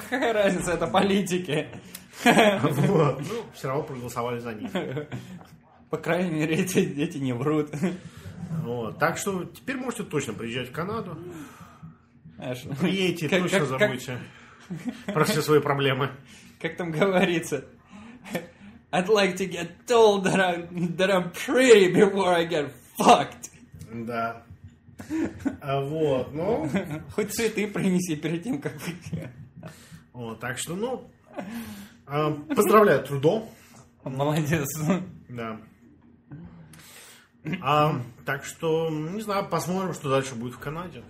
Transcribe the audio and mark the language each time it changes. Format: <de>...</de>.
<ru>Ну, какая разница, это политики. Вот. Ну, все равно проголосовали за них. По крайней мере, эти дети не врут. Вот. Так что теперь можете точно приезжать в Канаду. Знаешь, приедете, как, точно как, забудьте как... про все свои проблемы. Как там говорится...</ru> <en>I'd like to get told that I'm pretty before I get fucked.</en> <ru>Да. А вот, ну... Хоть цветы принеси перед тем, как... О, так что, ну... Поздравляю, Трудо. Молодец. Да. Так что, не знаю, посмотрим, что дальше будет в Канаде.</ru>